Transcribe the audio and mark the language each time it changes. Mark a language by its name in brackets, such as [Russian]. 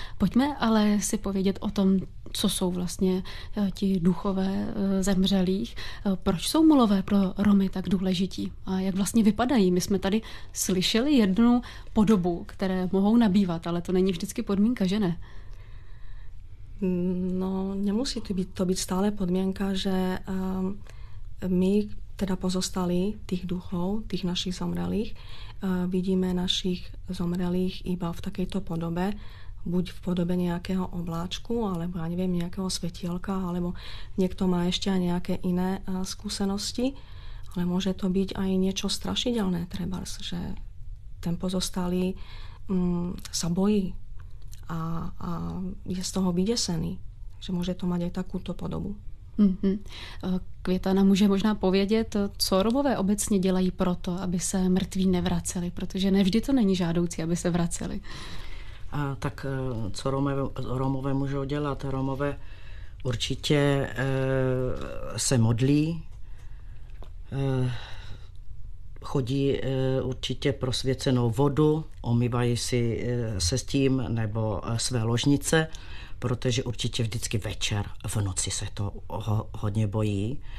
[Czech] Pojďme ale si povědět o tom, co jsou vlastně ti duchové zemřelých. Proč jsou mulové pro Romy tak důležití? A jak vlastně vypadají? My jsme tady slyšeli jednu podobu, které mohou nabývat, ale to není vždycky podmínka, že ne? [Slovak] No, nemusí to být stále podmínka, že my, teda pozostali tých duchov, tých našich zomrelých, vidíme našich zomrelých iba v takejto podobe, buď v podobe nejakého obláčku, alebo ja neviem, nejakého svetielka, alebo niekto má ešte aj nejaké iné skúsenosti, ale môže to byť aj niečo strašidelné, trebárs, že ten pozostalý sa bojí a je z toho vydesený, že môže to mať aj takúto podobu. Mm-hmm. [Czech] Květana může možná povědět, co Romové obecně dělají proto, aby se mrtví nevraceli, protože nevždy to není žádoucí, aby se vraceli. Tak co Romové můžou dělat? Romové určitě se modlí, chodí určitě prosvěcenou vodu, omývají si se s tím nebo své ložnice, protože určitě vždycky večer, v noci se to hodně bojí.